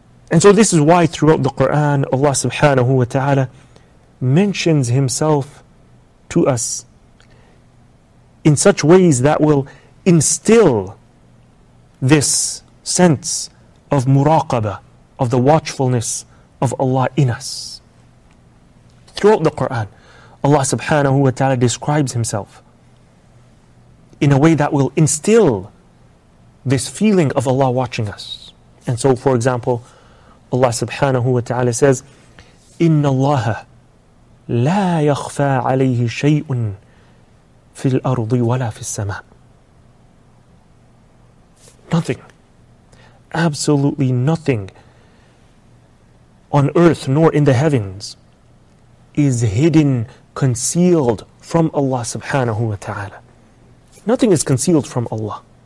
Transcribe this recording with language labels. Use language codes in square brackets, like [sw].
[en] And so this is why throughout the Quran, Allah subhanahu wa ta'ala mentions himself to us in such ways that will instill this sense of muraqabah, of the watchfulness of Allah in us. Throughout the Quran, Allah subhanahu wa ta'ala describes himself in a way that will instill this feeling of Allah watching us. [ar] And so, for example, Allah subhanahu wa ta'ala says, إِنَّ اللَّهَ لَا يَخْفَى عَلَيْهِ شَيْءٌ فِي الْأَرْضِ وَلَا فِي السَّمَاءِ. [en] Nothing, absolutely nothing on earth nor in the heavens is hidden, concealed from Allah subhanahu wa ta'ala. Nothing is concealed from Allah.